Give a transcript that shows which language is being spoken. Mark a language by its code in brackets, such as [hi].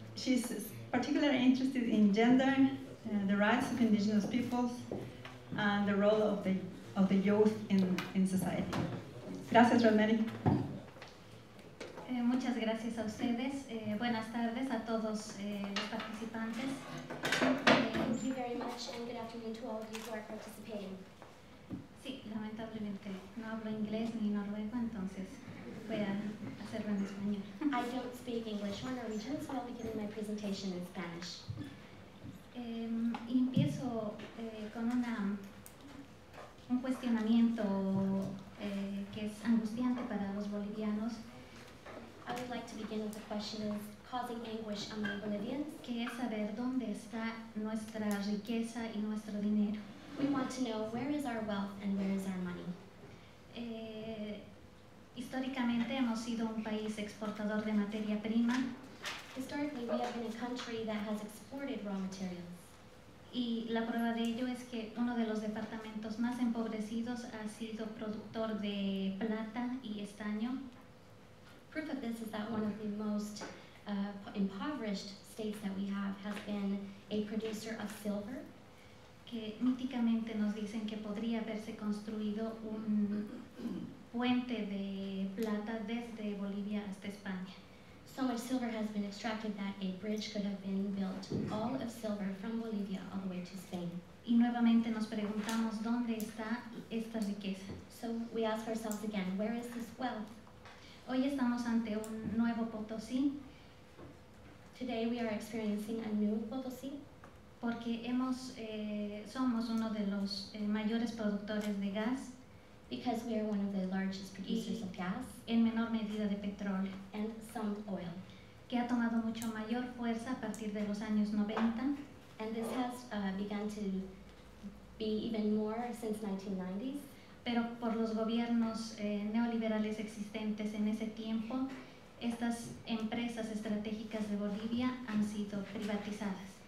[en] She's particularly interested in gender, the rights of indigenous peoples, and the role of the youth in society. [es] Gracias, Rosemary. Muchas gracias a ustedes. Buenas tardes a todos los participantes. [en] Thank you very much, and good afternoon to all of you who are participating. [es] Sí, lamentablemente no hablo inglés ni noruego, entonces voy a hacerlo en español. [en] I don't speak English or Norwegian, so I'll begin my presentation in Spanish. [es] Empiezo con un cuestionamiento que es angustiante para los bolivianos. [en] I would like to begin with a question that is causing anguish among Bolivians. [es] Que es saber dónde está nuestra riqueza y nuestro dinero. [en] We want to know where is our wealth and where is our money. [es] Históricamente hemos sido un país exportador de materia prima. [en] Historically, we have been a country that has exported raw materials. [es] Y la prueba de ello es que uno de los departamentos más empobrecidos ha sido productor de plata y estaño. [en] Proof of this is that one of the most impoverished states that we have has been a producer of silver. [es] Que míticamente nos dicen que podría haberse construido un puente de plata desde Bolivia hasta España. [en] So much silver has been extracted that a bridge could have been built, all of silver from Bolivia all the way to Spain. [es] Y nuevamente nos preguntamos dónde está esta riqueza. [en] So we ask ourselves again, where is this wealth? [es] Hoy estamos ante un nuevo Potosí. [en] Today we are experiencing a new Potosí. [es] Porque somos uno de los mayores productores de gas. [en] Because we are one of the largest producers of gas. [es] En menor medida de petróleo. [en] And some oil. [es] Que ha tomado mucho mayor fuerza a partir de los años 90. [en] And this has begun to be even more since 1990s. [es] Pero por los gobiernos neoliberales existentes en ese tiempo, estas empresas estratégicas de Bolivia han sido privatizadas.